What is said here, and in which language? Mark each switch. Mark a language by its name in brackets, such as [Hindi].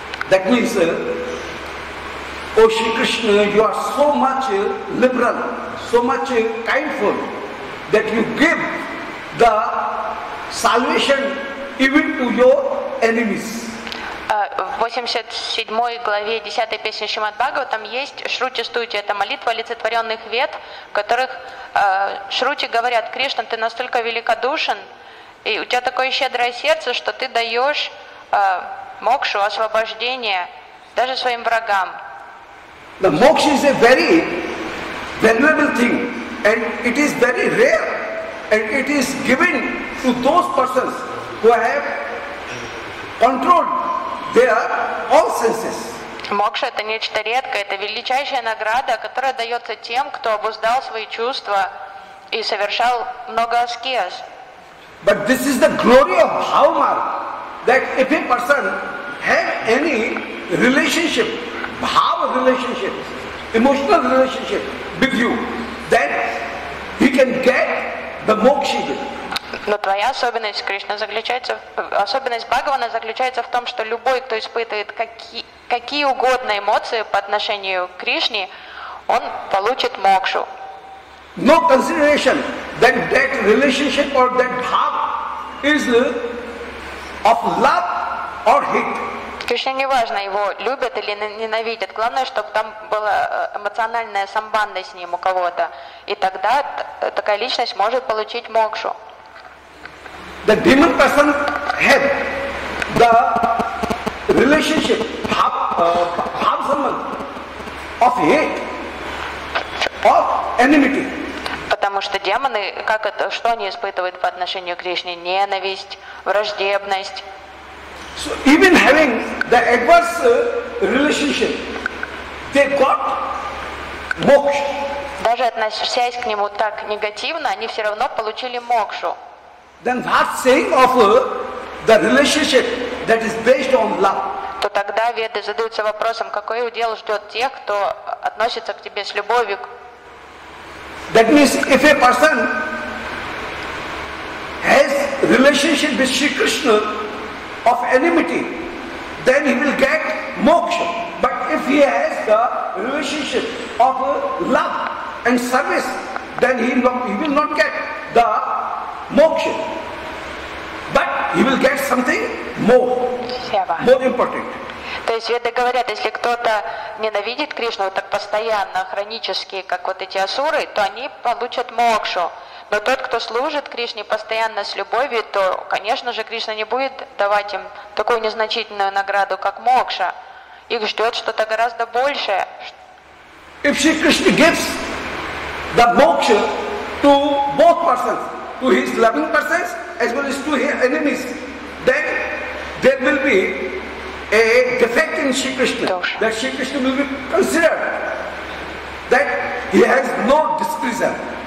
[English] That means, O Shri Krishna, you are so much liberal, so much kindful that you give the salvation even to your enemies. [Russian] В 87 главе 10 песни Шримад Бхагавата там есть Шрути Стути, это молитва олицетворенных вед, в которых Шрути говорят: Кришна, ты настолько великодушен, и у тебя такое щедрое сердце, что ты даешь мокшу, освобождение даже своим врагам. [English] The moksha is a very valuable thing, and it is very rare. And it is given to those persons who have controlled their all senses. [Russian] Мокша — это нечто редкое, это величайшая награда, которая дается тем, кто обуздал свои чувства и совершал много аскез. [English] But this is the glory of Bhavma, that if a person have any relationship, bhava relationship, emotional relationship with you, then he can get the moksha. [Russian] Но твоя особенность, Кришна, заключается, особенность Бхагавана заключается в том, что любой, кто испытывает какие угодно эмоции по отношению к Кришне, он получит мокшу. [English] No consideration that that relationship or that bhava is of love or hate. [Russian] Кришне не важно, его любят или ненавидят. Главное, чтобы там была эмоциональная самбанда с ним у кого-то. И тогда такая личность может получить мокшу. [English] The demon person has the relationship, bhav sambandh of hate, of enmity. [Russian] Потому что демоны, как это, что они испытывают по отношению к Кришне? Ненависть, враждебность. [English] So even having the adverse relationship, they got moksha. [Russian] Даже относясь к нему так негативно, они все равно получили мокшу. [English] Then what saying of the relationship that is based on love? [Russian] То тогда веды задаются вопросом, какой удел ждет тех, кто относится к тебе с любовью. [English] That means if a person has relationship with Shri Krishna of enmity, then he will get moksha. But if he has the relationship of love and service, then he will not get the moksha. But he will get something more, more important. [Russian] То есть веды говорят, если кто-то ненавидит Кришну так постоянно, хронически, как вот эти асуры, то они получат мокшу. Но тот, кто служит Кришне постоянно с любовью, то, конечно же, Кришна не будет давать им такую незначительную награду, как мокша. Их ждет что-то гораздо большее. [English] If Shri Krishna gives the moksha to both persons, to his loving persons as well as to his enemies, then there will be a defect in Shri Krishna, that Shri Krishna will be considered that he has no discretion.